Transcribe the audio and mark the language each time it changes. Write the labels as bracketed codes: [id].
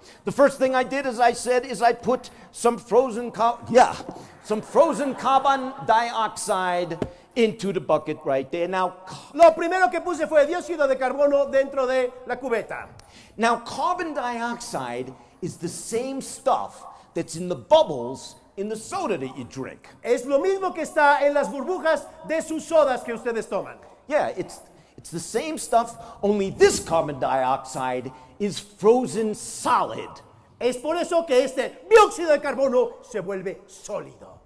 [en] The first thing I did, as I said, is I put some frozen carbon dioxide into the bucket right there. Now, [es] lo primero que puse fue dióxido de carbono dentro de la cubeta. [en] Now, carbon dioxide is the same stuff that's in the bubbles in the soda that you drink. [es] Es lo mismo que está en las burbujas de sus sodas que ustedes toman. [en] Yeah, it's the same stuff, only this carbon dioxide is frozen solid. [es] Es por eso que este dióxido de carbono se vuelve sólido.